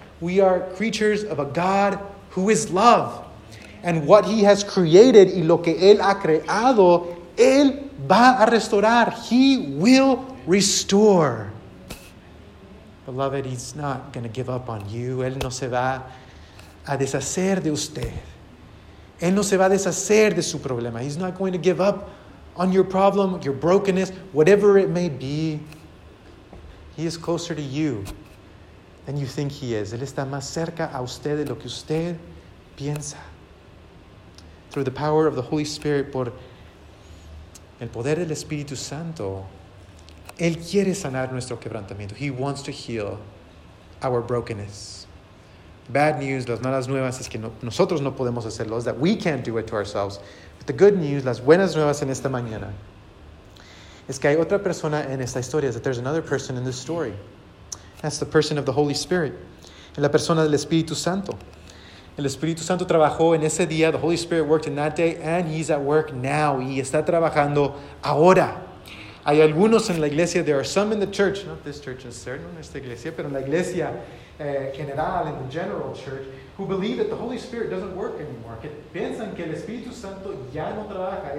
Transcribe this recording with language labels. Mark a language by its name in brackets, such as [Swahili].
[English] We are creatures of a God who is love. And what He has created [Spanish] y lo que Él ha creado, Él va a restaurar. [English] He will restore. Beloved, He's not going to give up on you. [Spanish] Él no se va a deshacer de usted. Él no se va a deshacer de su problema. [English] He's not going to give up on your problem, your brokenness, whatever it may be. He is closer to you than you think He is. [Spanish] Él está más cerca a usted de lo que usted piensa. [English] Through the power of the Holy Spirit, [Spanish] por el poder del Espíritu Santo, Él quiere sanar nuestro quebrantamiento. [English] He wants to heal our brokenness. Bad news, [Spanish] las malas nuevas, es que nosotros no podemos hacerlo, [English] is that we can't do it to ourselves. But the good news, [Spanish] las buenas nuevas en esta mañana, es que hay otra persona en esta historia, [English] is that there's another person in this story. That's the person of the Holy Spirit, [Spanish] la persona del Espíritu Santo. El Espíritu Santo trabajó en ese día. [English] The Holy Spirit worked in that day, and He's at work now. [Spanish] Y está trabajando ahora. Hay algunos en la iglesia. [English] There are some in the church, not this church necessarily, not [Spanish] esta iglesia, pero en la iglesia general, [English] in the general church, who believe that the Holy Spirit doesn't work anymore. [Spanish] Que piensan que el Espíritu Santo ya no trabaja.